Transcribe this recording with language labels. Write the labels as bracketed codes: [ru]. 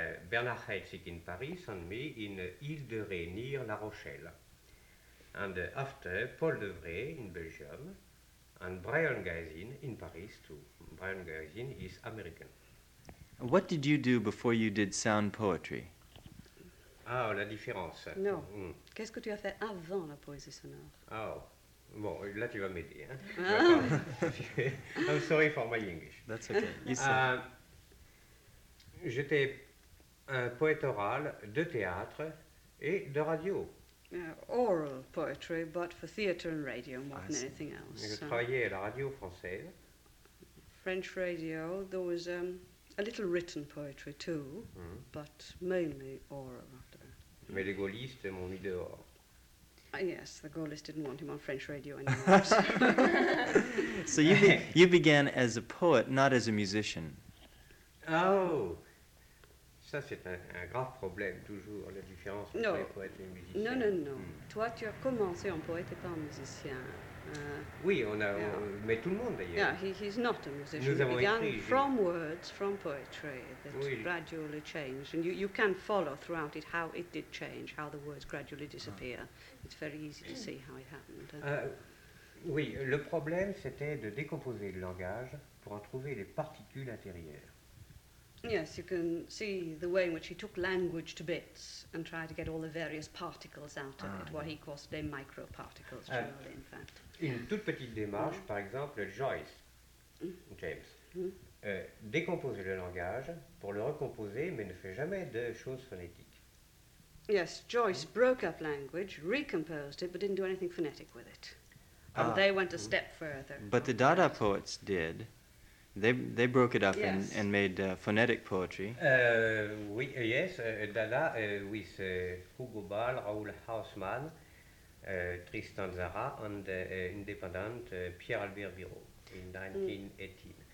[en] Bernard Heidsieck in Paris, and me in Ile de Ré, near La Rochelle. And after Paul Devray in Belgium, and Brian Gysin in Paris, too. Brian Gysin is American. What did you do before you did sound poetry? [fr] Ah, la différence. [en] No. Mm. [fr] Qu'est-ce que tu as fait avant la poésie sonore? Oh, bon, là tu vas m'aider. Hein? Ah. [en] I'm sorry for my English. That's okay. You say. [fr] J'étais un poète oral de théâtre et de radio. [en] Oral poetry, but for theater and radio more than anything else. [fr] Je travaillais à la radio française. [en] French radio, there was... a little written poetry too, mm-hmm. but mainly oral. [fr] Mais les gaullistes m'ont mis dehors. [en] Yes, the gaullists didn't want him on French radio anymore. So you began as a poet, not as a musician. [fr] Oh, ça c'est un grave problème toujours, la différence entre les poètes et les musiciens. Non, non, non. Toi, tu as commencé en poète et pas en musicien. Oui, on a, yeah. Mais tout le monde d'ailleurs. [en] Yeah, he's not a musician. [fr] Nous [en] he began [fr] écrit, [en] from j'ai... words, from poetry, that [fr] oui. [en] gradually changed. And you can follow throughout it how it did change, how the words gradually disappear. Ah. It's very easy to see how it happened. [fr] Oui, le problème c'était de décomposer le langage pour en trouver les particules intérieures. [en] Yes, you can see the way in which he took language to bits and tried to get all the various particles out of it, what he calls the microparticles, truly, in fact. [fr] Une toute petite démarche, par exemple, Joyce, James, décompose le langage pour le recomposer, mais ne fait jamais de choses phonétiques. [en] Yes, Joyce broke up language, recomposed it, but didn't do anything phonetic with it. And they went a step further. But the Dada poets did. They broke it up and made phonetic poetry. Dada with Hugo Ball, Raoul Haussmann, Tristan Zara, and independent Pierre-Albert Biro in 1918. Mm.